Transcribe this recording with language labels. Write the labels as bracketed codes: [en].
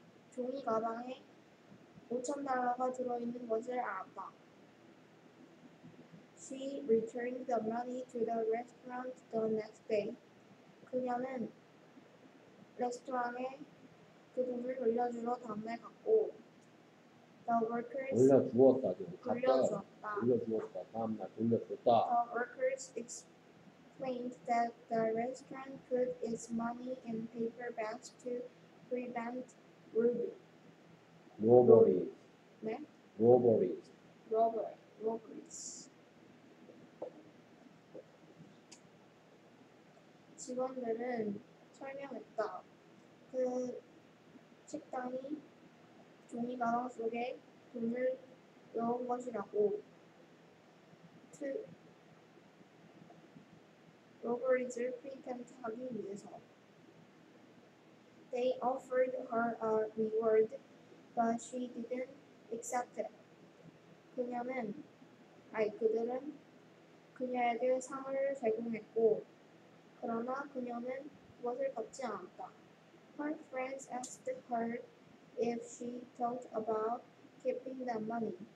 [ko] 종이 가방에 $5,000가 들어있는 것을 안다. [en] She returned the money to the restaurant the next day. [ko] 그녀는 레스토랑에 그 돈을 돌려주러 다음날 갔고 [en] The workers [ko] 돌려주었다. 돌려주었다. 돌려주었다. 다음날 돌려줬다. [en] The workers explained that the restaurant put its money in paper bags to prevent robbery. [ko] 네? [en] Robbery. Robbery. Robberies. [ko] 직원들은 설명했다. 그 식당이 종이 가방 속에 돈을 넣은 것이라고. [en] To robberies [ko] 를 [en] pretend [ko] 하기 위해서. [en] They offered her a reward, but she didn't accept it. [ko] 그녀는, 아니 그들은 그녀에게 상을 제공했고, 그러나 그녀는 그것을 받지 않았다. [en] Her friends asked her if she thought about keeping the money.